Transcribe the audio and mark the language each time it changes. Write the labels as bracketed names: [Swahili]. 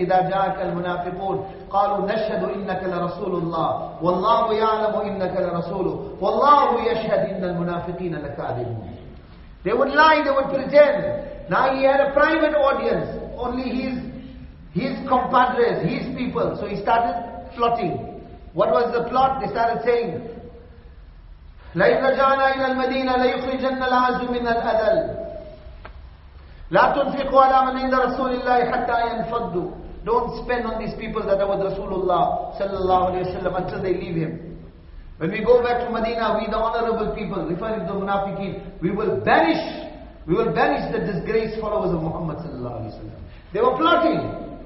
[Arabic] إِذَا جَاءَكَ الْمُنَافِقُونَ قَالُوا نَشْهَدُ إِنَّكَ لَرَسُولُ اللَّهِ وَاللَّهُ يَعْلَمُ إِنَّكَ لَرَسُولُهُ وَاللَّهُ يَشْهَدُ إِنَّ الْمُنَافِقِينَ لَكَاذِبُونَ. [English] They would lie, they would pretend. Now he had a private audience. Only his compadres, his people. So he started plotting. What was the plot? They started saying, [Arabic] لَإِنْ رَجَعْنَا إِلَى الْمَدِينَ لَيُخْرِجَنَّ الْعَزُ مِنَ الْأَذَلِ لَا تُنْفِقُوا عَلَى مَنْ عِنْدَ رَسُولِ اللَّهِ حَتَّى يَنْفَدُّ. [English] Don't spend on these people that are with Rasulullah sallallahu alayhi wa sallam until they leave him. When we go back to Medina, we the honorable people, referring to the munafiqeen, we will banish the disgraced followers of Muhammad sallallahu alayhi wa sallam. They were plotting.